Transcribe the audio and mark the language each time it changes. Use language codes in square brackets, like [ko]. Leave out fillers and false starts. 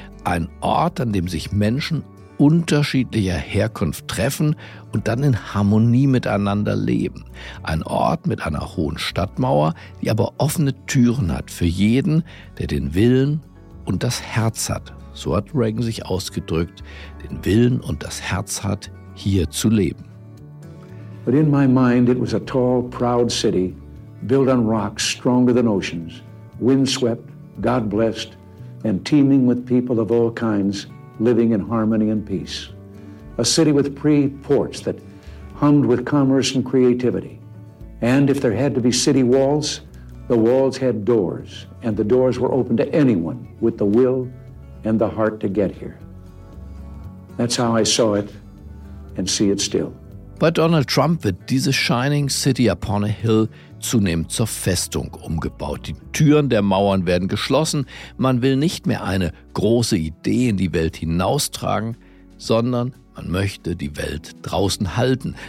[de] Ein Ort, an dem sich Menschen unterschiedlicher Herkunft treffen und dann in Harmonie miteinander leben. Ein Ort mit einer hohen Stadtmauer, die aber offene Türen hat für jeden, der den Willen und das Herz hat. So hat Reagan sich ausgedrückt, den Willen und das Herz hat, hier zu leben. [en] But in my mind, it was a tall, proud city built on rocks stronger than oceans, windswept, God-blessed, and teeming with people of all kinds living in harmony and peace. A city with pre-ports that hummed with commerce and creativity. And if there had to be city walls, the walls had doors, and the doors were open to anyone with the will and the heart to get here. That's how I saw it and see it still. [de] But Donald Trump wird diese [en] shining city upon a hill [de] zunehmend zur Festung umgebaut. Die Türen der Mauern werden geschlossen. Man will nicht mehr eine große Idee in die Welt hinaustragen, sondern man möchte die Welt draußen halten.